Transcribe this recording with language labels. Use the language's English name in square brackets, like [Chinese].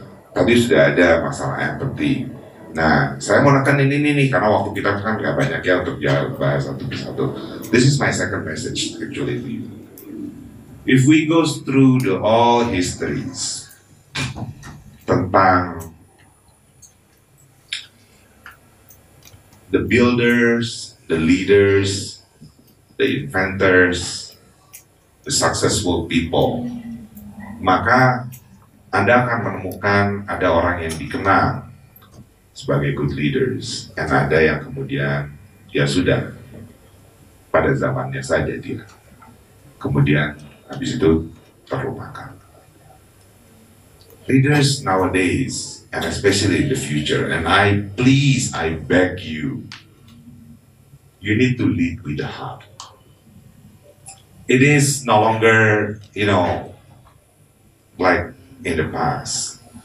[Indonesian] tadi sudah ada masalah empathy. Nah, saya mau nekan ini nih, karena waktu kita kan nggak banyak ya untuk ya bahas satu persatu. [English] This is my second message actually to you. If we go through the all histories tentang the builders, the leaders, the inventors, the successful people, [Indonesian] maka Anda akan menemukan ada orang yang dikenal sebagai good leaders, dan ada yang kemudian ya sudah pada zamannya saja dia kemudian habis itu terlupakan. [English] Leaders nowadays, and especially in the future, and I beg you, you need to lead with the heart. It is no longer, you know, like in the past.